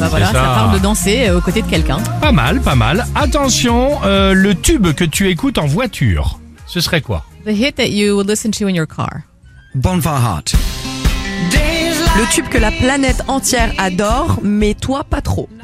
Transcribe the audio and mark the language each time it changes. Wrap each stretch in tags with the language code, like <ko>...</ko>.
<fr>Bah voilà, ça parle de danser aux côtés de quelqu'un. Pas mal, pas mal. Attention, le tube que tu écoutes en voiture, ce serait quoi?</fr> <en>The hit that you would listen to in your car. Bonfire Heart.</en> <fr>Le tube que la planète entière adore, mais toi pas trop.</fr>